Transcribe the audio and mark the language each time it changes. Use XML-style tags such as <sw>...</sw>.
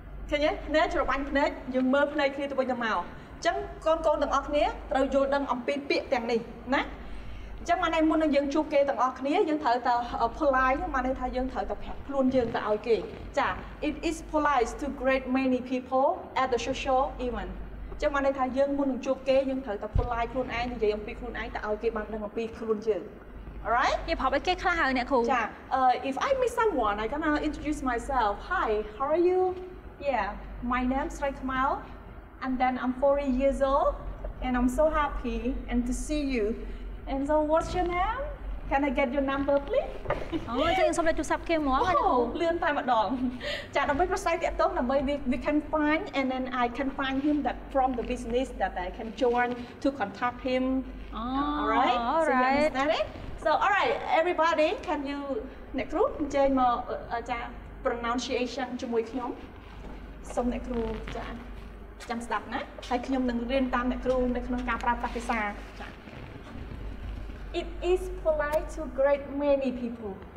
<km>ឃើញទេណែច្របាញ់ភ្នែកយើងមើលភ្នែកគ្នាទៅវិញទៅមកអញ្ចឹងកូនកូនទាំងអស់គ្នាត្រូវយល់ដឹងអំពីពាក្យទាំងនេះណាអញ្ចឹងមកណែមុននឹងយើងជួបគេទាំងអស់គ្នាយើងត្រូវតែ polite មកណែថាយើងត្រូវតែប្រាប់ខ្លួនយើងទៅឲ្យគេចា</km> <en>It is polite to greet many people at the social event</en> <km>អញ្ចឹងបានន័យថាយើងមុននឹងជួបគេយើងត្រូវតែផ្លាយខ្លួនឯងនិយាយអំពីខ្លួនឯងតែឲ្យគេបានដឹងអំពីខ្លួនយើង</km> <en>Alright</en> <km>និយាយប្រាប់ឲ្យគេខ្លះហើយអ្នកគ្រូ ចា</km> <en>if I meet someone I gonna introduce myself hi how are you yeah my name is Rai Kamal and then I'm 40 years old and I'm so happy and to see you and so what's your name can I get your number please</en> <km>អូចឹងសុំលេខទូរស័ព្ទគេមក អ្នកគ្រូលឿនតែម្ដងចាដើម្បីប្រស័យទាក់ទងដើម្បី</km> <en>we can find and then I can find him that from the business that I can join to contact him alright so right. You understand it so alright everybody can you</en> <km>អ្នកគ្រូអញ្ជើញមកចា pronunciation ជាមួយខ្ញុំសុំអ្នកគ្រូចាចាំស្ដាប់ណាហើយខ្ញុំនឹងរៀនតាមអ្នកគ្រូនៅក្នុងការប្រើប្រាស់ភាសាចា</km> <en>It is polite to greet many people.</en>